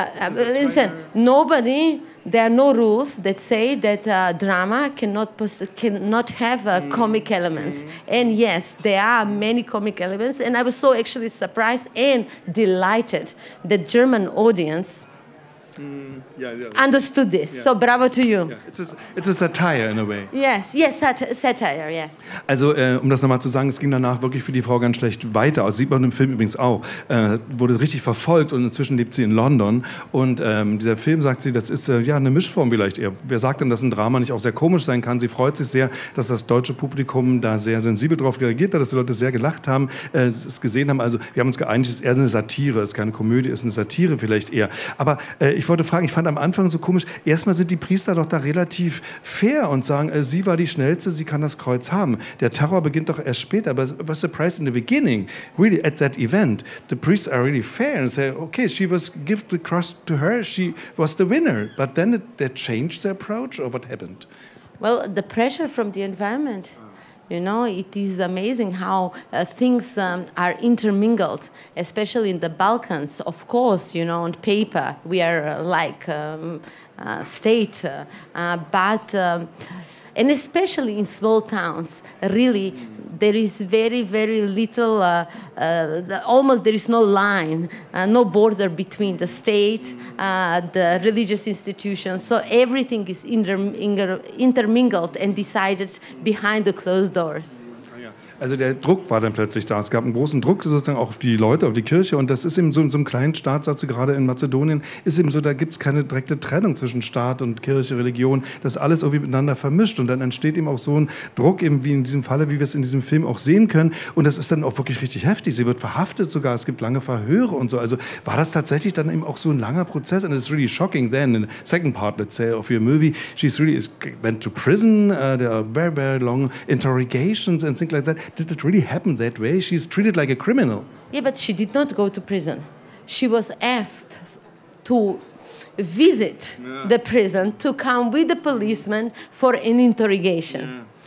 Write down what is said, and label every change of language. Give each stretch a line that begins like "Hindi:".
English: Listen, nobody, there are no rules that say that drama cannot have comic elements. And yes, there are many comic elements. And I was so actually surprised and delighted that German audience understood this. Yeah. So bravo to you. Yeah. It's a satire in a way. Yes, satire, yes.
German: Also um das nochmal zu sagen, es ging danach wirklich für die Frau ganz schlecht weiter. Das sieht man im Film übrigens auch. Wurde richtig verfolgt und inzwischen lebt sie in London. Und dieser Film sagt sie, das ist ja eine Mischform vielleicht eher. Wer sagt denn, dass ein Drama nicht auch sehr komisch sein kann? Sie freut sich sehr, dass das deutsche Publikum da sehr sensibel drauf reagiert hat, dass die Leute sehr gelacht haben, es gesehen haben. Also wir haben uns geeinigt, es ist eher eine Satire, es ist keine Komödie, es ist eine Satire vielleicht eher. Aber ich wollte fragen, ich fand am Anfang so komisch, erstmal sind die Priester doch da relativ fair und sagen, sie war die Schnellste, sie kann das Kreuz haben. Der Terror beginnt doch erst später,
English: but was surprised in the beginning, really at that event, the priests are really fair and say, okay, she was give the cross to her, she was the winner. But then they changed their approach or what happened? Well, the pressure from the environment. You know, it is amazing how things are intermingled, especially in the Balkans. Of course, you know, on paper, we are like a state. And especially in small towns, really, there is very, very little, almost there is no line, no border between the state, the religious institutions. So everything is intermingled and decided behind the closed doors.
German: Also der Druck war dann plötzlich da. Es gab einen großen Druck sozusagen auch auf die Leute, auf die Kirche. Und das ist eben so in so einem kleinen Staat, sagt sie gerade in Mazedonien, ist eben so, da gibt es keine direkte Trennung zwischen Staat und Kirche, Religion. Das ist alles irgendwie miteinander vermischt. Und dann entsteht eben auch so ein Druck, eben wie in diesem Falle, wie wir es in diesem Film auch sehen können. Und das ist dann auch wirklich richtig heftig. Sie wird verhaftet sogar. Es gibt lange Verhöre und so. Also war das tatsächlich dann eben auch so ein langer Prozess?
English: And it's really shocking then, in the second part, let's say, of your movie, she's really went to prison. There are very, very long interrogations and things like that. Did it really happen that way? She's treated like a criminal. Yeah, but she did not go to prison. She was asked to visit the prison, to come with the policeman for an interrogation.